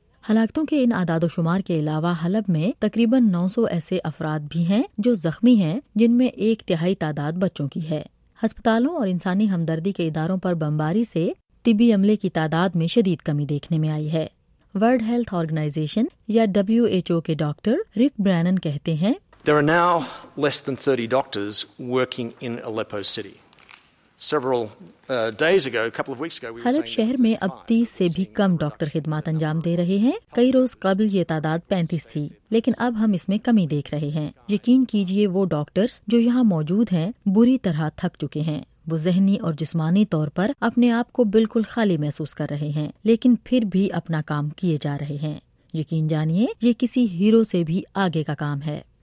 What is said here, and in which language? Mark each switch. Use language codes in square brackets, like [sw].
[ur] ہلاکتوں کے ان اعداد و شمار کے علاوہ حلب میں تقریباً 900 ایسے افراد بھی ہیں جو زخمی ہیں، جن میں ایک تہائی تعداد بچوں کی ہے۔ ہسپتالوں اور انسانی ہمدردی کے اداروں پر بمباری سے طبی عملے کی تعداد میں شدید کمی دیکھنے میں آئی ہے۔ ورلڈ ہیلتھ آرگنائزیشن یا WHO کے ڈاکٹر رک برینن کہتے ہیں، [en] There are now less than 30 doctors working in Aleppo City. [ur] حلب شہر میں اب 30 سے بھی کم ڈاکٹر خدمات انجام دے رہے ہیں۔ کئی روز قبل یہ تعداد 35 تھی، لیکن اب ہم اس میں کمی دیکھ رہے ہیں۔ یقین کیجئے، وہ ڈاکٹرز جو یہاں موجود ہیں بری طرح تھک چکے ہیں۔ وہ ذہنی اور جسمانی طور پر اپنے آپ کو بالکل خالی محسوس کر رہے ہیں، لیکن پھر بھی اپنا کام کیے جا رہے ہیں۔ یقین جانیے، یہ کسی ہیرو سے بھی آگے کا کام ہے۔